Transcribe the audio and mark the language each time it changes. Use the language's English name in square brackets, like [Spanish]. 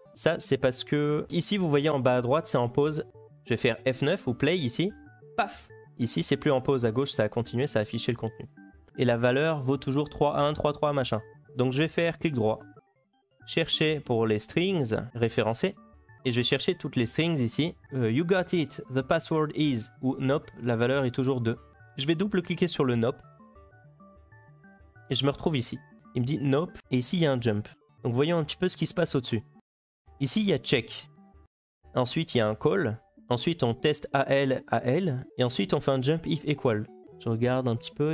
[French] Ça, c'est parce que ici, vous voyez en bas à droite, c'est en pause. Je vais faire F9 ou play ici. Paf ! Ici, c'est plus en pause à gauche, ça a continué, ça a affiché le contenu. Et la valeur vaut toujours 31333 machin. Donc je vais faire clic droit. Chercher pour les strings, référencer. Et je vais chercher toutes les strings ici. [English] You got it, the password is. [French] Ou nope, la valeur est toujours 2. Je vais double-cliquer sur le nope. Et je me retrouve ici. Il me dit « Nope » et ici, il y a un « Jump ». Donc, voyons un petit peu ce qui se passe au-dessus. Ici, il y a « Check ». Ensuite, il y a un « Call ». Ensuite, on teste « AL » à « L ». Et ensuite, on fait un « Jump if equal ». Je regarde un petit peu.